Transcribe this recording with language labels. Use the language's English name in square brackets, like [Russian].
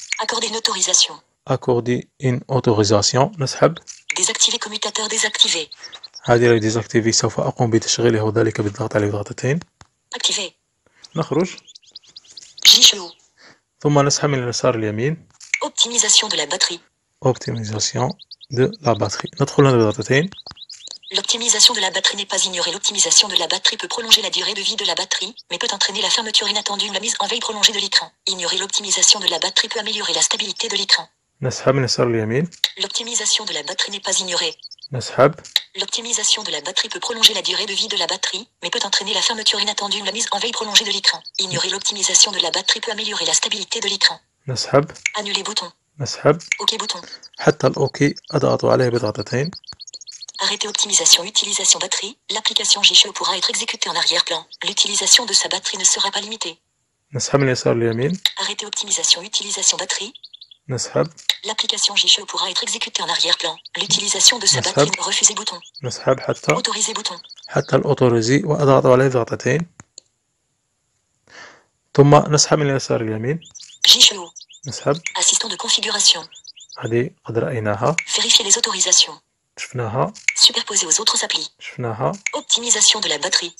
[French] Accorder une autorisation. Accorder une autorisation. [Arabic] نسحب. [French] Désactiver commutateur désactivé. [Arabic] هذه لو ديزاكتيفي سوف أقوم بتشغيله وذلك بالضغط على الضغطتين. أكتيفي. نخرج. جيشو. ثم نسحب من اليسار اليمين. [French] Optimisation de la batterie. Optimisation de la batterie. [Arabic] ندخل على الضغطتين. [French] L'optimisation de la batterie n'est pas ignorée. L'optimisation de la batterie peut prolonger la durée de vie de la batterie, mais peut entraîner la fermeture inattendue ou la mise en veille prolongée de l'écran. Ignorer l'optimisation de la batterie peut améliorer la stabilité de l'écran. [Arabic] نسحب من اليسار اليمين. [French] L'optimisation de la batterie n'est pas ignorée. [Arabic] نسحب. [French] L'optimisation de la batterie peut prolonger la durée de vie de la batterie, mais peut entraîner la fermeture inattendue ou la mise en veille prolongée de l'écran. Ignorer l'optimisation de la batterie peut améliorer la stabilité de l'écran. [Arabic] نسحب. [French] Annuler bouton. [Arabic] نسحب. [French] OK bouton. [Arabic] حتى الأوكي أضغط عليه بضغطتين. [French] Arrêter optimisation utilisation batterie. L'application JHUO pourra être exécutée en arrière-plan. L'utilisation de sa batterie ne sera pas limitée. [Arabic] نسحب من اليسار لليمين. [French] Arrêter optimisation utilisation batterie. [Arabic] نسحب. [French] L'application JHUO pourra être exécutée en arrière-plan. L'utilisation de sa [Arabic] نسحب. [French] Batterie. Refuser bouton. [Arabic] نسحب حتى. [French] Autoriser bouton. [Arabic] حتى الأوتوريزي وأضغط عليه ضغطتين. ثم نسحب من اليسار اليمين. JHUO. نسحب. [French] Assistant de configuration. [Arabic] هذه قد رأيناها. [French] Vérifier les autorisations. [Arabic] شفناها. [French] Superposer aux autres applis. [Arabic] شفناها. [French] Optimisation de la batterie.